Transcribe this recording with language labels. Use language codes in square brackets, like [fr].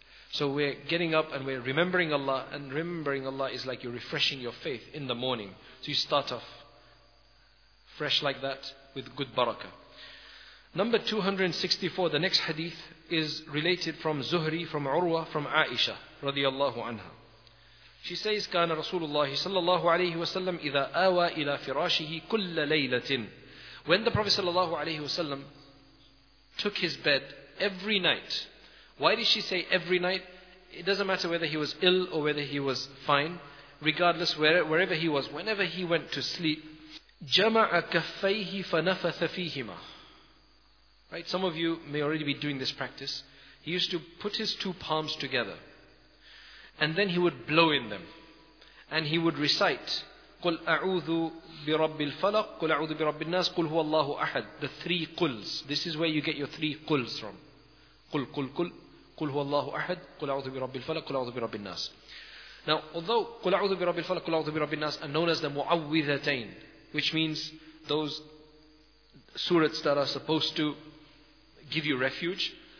[en] So we're getting up and we're remembering Allah, and remembering Allah is like you're refreshing your faith in the morning. So you start off fresh like that with good barakah. Number 264, the next hadith is related from Zuhri, from Urwa, from Aisha radiallahu anha. She says, [ar] كان رسول الله صلى الله عليه وسلم إذا آوى إلى فراشه كل ليلة. [en] When the Prophet صلى الله عليه وسلم took his bed every night. Why did she say every night? It doesn't matter whether he was ill or whether he was fine. Regardless, wherever he was, whenever he went to sleep, [ar] جَمَعَ كَفَّيْهِ فَنَفَثَ فِيهِمَا. [en] Right? Some of you may already be doing this practice. He used to put his two palms together. And then he would blow in them. And he would recite, [ar] قُلْ أَعُوذُ بِرَبِّ الْفَلَقِ قُلْ أَعُوذُ بِرَبِّ النَّاسِ قُلْ هُوَ اللَّهُ أَحَدٍ. [en] The three quls. This is where you get your three quls from. [ar] قُلْ قُلْ قُلْ قُلْ هُوَ اللَّهُ أَحَدٍ قُلْ أَعُوذُ بِرَبِّ الْفَلَقِ قُلْ أَعُوذُ بِرَبِّ النَّاسِ. [en] Now, although [ar] قُلْ أَعُوذُ بِرَبِّ الْفَلَقِ قُلْ أَعُوذُ بِرَبِّ النَّاسِ [en] are known as the مُعَوِّذَتَيْن, which means those surahs that are supposed to give you refuge.